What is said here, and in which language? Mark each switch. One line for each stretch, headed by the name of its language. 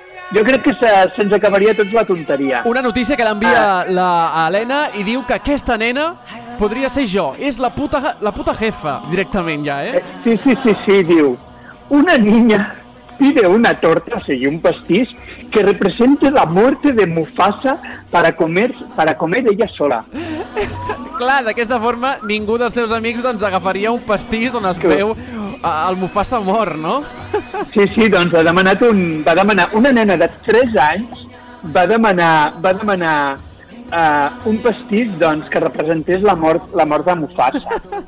Catalan: Jo crec que se'ns acabaria tots la tonteria. Una notícia que l'envia l'Helena i diu que aquesta nena podria ser jo. És la puta jefa, directament ja, eh? Sí, diu.
Spanish: Una niña pide una torta,
Catalan: o sigui, un pastís,
Spanish: que represente la muerte de Mufasa para comer ella sola.
Catalan: Clar, d'aquesta forma ningú dels seus amics doncs agafaria un pastís on es veu el Mufasa mort, no? Sí, doncs ha demanat un... Va demanar una nena de 3 anys, va demanar un pastís doncs que representés la mort de Mufasa.